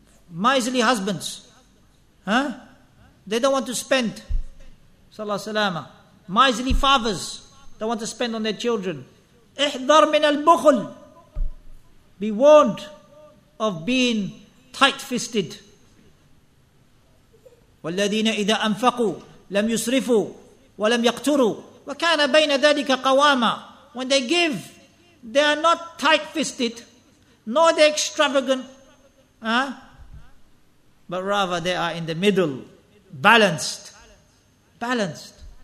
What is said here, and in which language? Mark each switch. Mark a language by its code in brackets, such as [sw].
[en] Miserly husbands. Huh? They don't want to spend. Sallallahu alayhi wa sallam. Miserly fathers don't want to spend on their children. [ar] إحذر من البخل. [en] Be warned of being tight-fisted. [ar] والذين إذا أنفقوا لم يسرفوا وَلَمْ يَقْتُرُوا وَكَانَ بَيْنَ ذَلِكَ قَوَامًا. [en] When they give, they are not tight-fisted, nor they extravagant, but rather they are in the middle, balanced. Balanced.